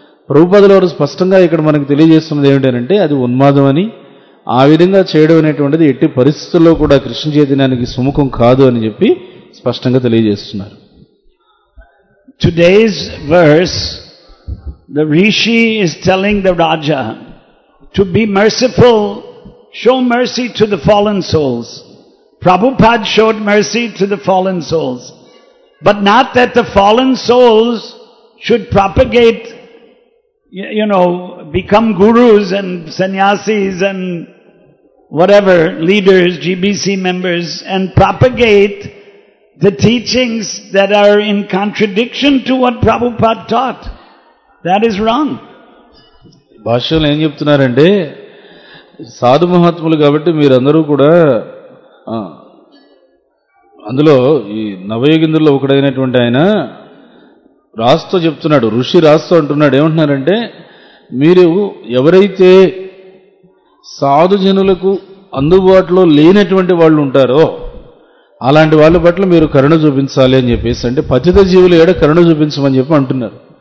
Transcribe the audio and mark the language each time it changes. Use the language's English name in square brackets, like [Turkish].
[Telugu] ప్రభుపాదుల వారు స్పష్టంగా ఇక్కడ మనకు తెలియజేస్తున్నది ఏమిటంటే, అది ఉన్మాదం అని, ఆ విధంగా చేయడం అనేటువంటిది ఎట్టి పరిస్థితుల్లో కూడా కృష్ణ చైతన్యానికి సుముఖం కాదు అని చెప్పి స్పష్టంగా తెలియజేస్తున్నారు. [English] Today's verse, the rishi is telling the raja to be merciful, show mercy to the fallen souls. Prabhupad showed mercy to the fallen souls, but not that the fallen souls should propagate, you know, become gurus and sannyasis and whatever, leaders, GBC members, and propagate the teachings that are in contradiction to what Prabhupada taught. That is wrong. [Telugu] భాష్యంలో ఏం చెప్తున్నారంటే, సాధు మహాత్ములు కాబట్టి మీరందరూ కూడా అందులో ఈ నవయోగిందుల్లో ఒకడైనటువంటి ఆయన రాస్తో చెప్తున్నాడు, ఋషి రాస్తో అంటున్నాడు. ఏమంటున్నారంటే, మీరు ఎవరైతే సాధుజనులకు అందుబాటులో లేనటువంటి వాళ్ళు ఉంటారో అలాంటి వాళ్ళ పట్ల మీరు కరుణ చూపించాలి అని చెప్పేసి, అంటే పతిత జీవుల ఏడ కరుణ చూపించమని చెప్పి అంటున్నారు.